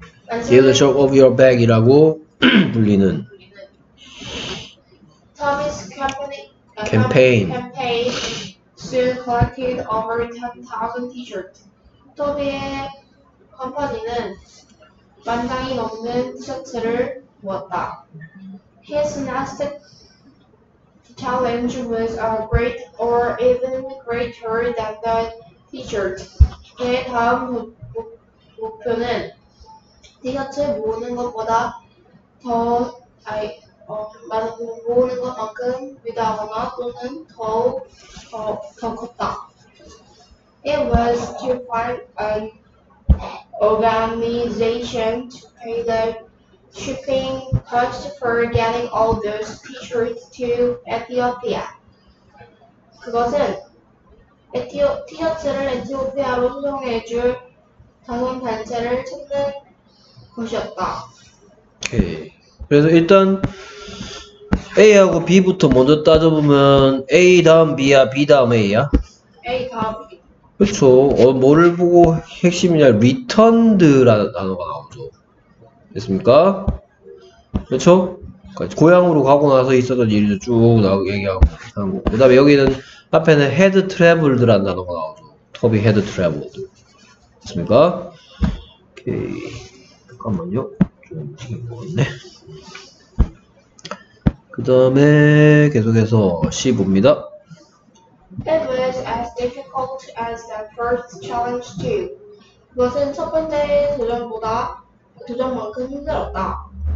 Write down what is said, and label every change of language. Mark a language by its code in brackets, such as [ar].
[ko] Get the Shirt Off Your Back이라고 불리는 [en] Toby's company, campaign soon collected over 10,000 t-shirts. [ko] 토비의 컴퍼니는 만장이 넘는 티셔츠를 모았다. [en] His next challenge was a great or even greater than the t-shirt. [ko] 그의 다음 목표는 티셔츠 모으는 것보다 모으는 것만큼 위대하거나 또는 더 컸다. [en] It was to find an organization to pay the shipping cost for getting all those t-shirts to Ethiopia. [ko] 그것은 티셔츠를 에티오피아로 수송해줄 다른 단체를 찾는 것이었다. 오케이. 그래서 일단 A하고 B부터 먼저 따져보면 A 다음 B야, B 다음 A야? A 다음 B. 그렇죠. 뭐를 보고 핵심이냐, returned라는 단어가 나오죠. 됐습니까? 그렇죠? 고향으로 가고 나서 있었던 일을 쭉 얘기하고 하는 거고. 그 다음에 여기는 앞에는 had traveled라는 단어가 나오죠. [en] Toby had traveled. [ko] 됐습니까? 오케이. 잠깐만요. 그 다음에 계속해서 C 봅니다. [en] It was as difficult as the first challenge too. [ko] 그것은 첫 번째 도전만큼 힘들었다.